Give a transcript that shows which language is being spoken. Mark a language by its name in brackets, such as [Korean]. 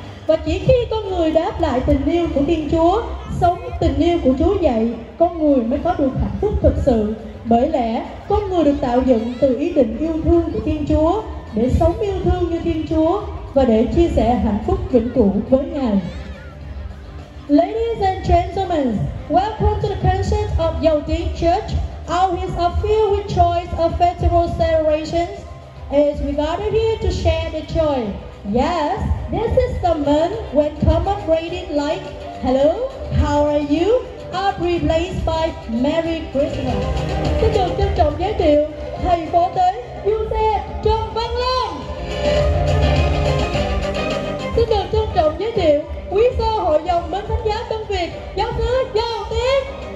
[Vietnamese] Và chỉ khi con người đáp lại tình yêu của Thiên Chúa, sống tình yêu của Chúa dạy, con người mới có được hạnh phúc thực sự. Bởi lẽ, con người được tạo dựng từ ý định yêu thương của Thiên Chúa, để sống yêu thương như Thiên Chúa, và để chia sẻ hạnh phúc vĩnh cửu với Ngài. [English] Ladies and gentlemen, welcome to the concert of Dầu Tiếng Church. Our hearts are filled with joy of festival celebrations, as we gather here to share the joy. Yes, this is the moment when common greeting like "Hello, how are you?" are replaced by "Merry Christmas." [Vietnamese] Xin được trân trọng giới thiệu thầy phó tế Giuse Trần Văn Long. Xin được trân trọng giới thiệu quý sơ hội dòng Mến Thánh Giá Tân Việt giáo xứ Dầu Tiếng.